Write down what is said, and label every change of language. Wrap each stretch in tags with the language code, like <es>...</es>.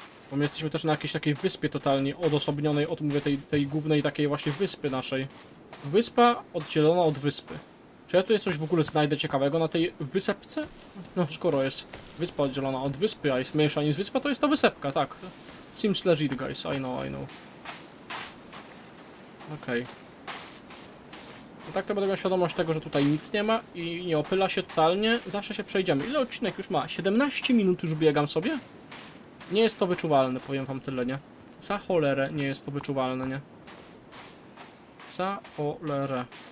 <pl>Bo my jesteśmy też na jakiejś takiej wyspie totalnie odosobnionej od, mówię, tej głównej takiej właśnie wyspy naszej. Wyspa oddzielona od wyspy. Czy ja tu jest coś w ogóle znajdę ciekawego na tej wysepce? No, skoro jest wyspa oddzielona od wyspy, a jest mniejsza niż wyspa, to jest ta wysepka, tak.</pl> <en>Seems legit, guys, I know, I know.</en> <pl>Okej. Okay. No tak, to będę miał świadomość tego, że tutaj nic nie ma i nie opyla się totalnie. Zawsze się przejdziemy. Ile odcinek już ma? 17 minut już biegam sobie? Nie jest to wyczuwalne, powiem wam tyle, nie? Za cholerę nie jest to wyczuwalne, nie? Za cholerę.</pl>